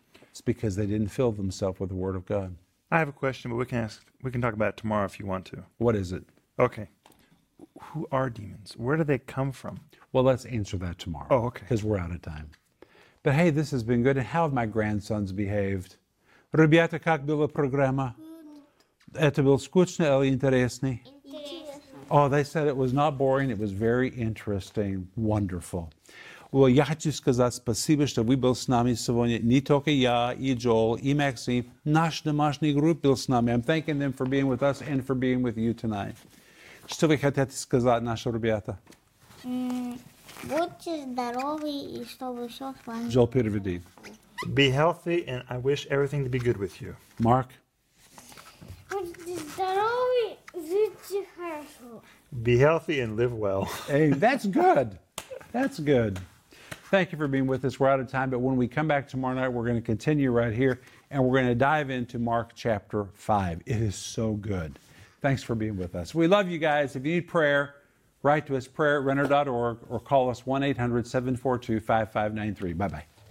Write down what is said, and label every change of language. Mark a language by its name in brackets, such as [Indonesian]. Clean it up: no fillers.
[English] It's because they didn't fill themselves with the Word of God. I have a question, but we can talk about it tomorrow if you want to. What is it? Okay. Who are demons? Where do they come from? Well, let's answer that tomorrow. Oh, okay. Because we're out of time. But hey, this has been good. And how have my grandsons behaved? [Russian] Rubiata, как было программа? Это было скучно или интересно? [English] Oh, they said it was not boring. It was very interesting. Wonderful. [Russian] Well, я хочу сказать спасибо, что вы были с нами сегодня. Не только я, и Джоэл, и Максим. Наш домашний групп был с нами. [English] I'm thanking them for being with us and for being with you tonight. [Russian] Что вы хотите сказать, наши ребята? Будьте здоровы, и чтобы все с вами... Джоэл, переведи. [English] Be healthy, and I wish everything to be good with you. Mark? [Russian] Будьте здоровы, будьте хорошо. [English] Be healthy and live well. Hey, that's good. That's good. Thank you for being with us. We're out of time, but when we come back tomorrow night, we're going to continue right here, and we're going to dive into Mark chapter 5. It is so good. Thanks for being with us. We love you guys. If you need prayer, write to us, prayer@renner.org, or call us 1-800-742-5593. Bye-bye.